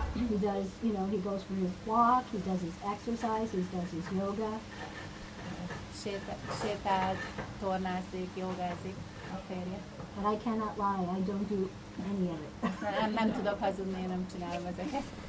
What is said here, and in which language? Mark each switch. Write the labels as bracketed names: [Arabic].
[English] He does, you know, he goes for his walk, he does his exercise, he does his yoga. [Hungarian] Sétál, tornázik, jogázik a férje. [English] But I cannot lie, I don't do any of it. [Hungarian] Nem tudok hazudni, én nem csinálom ezeket.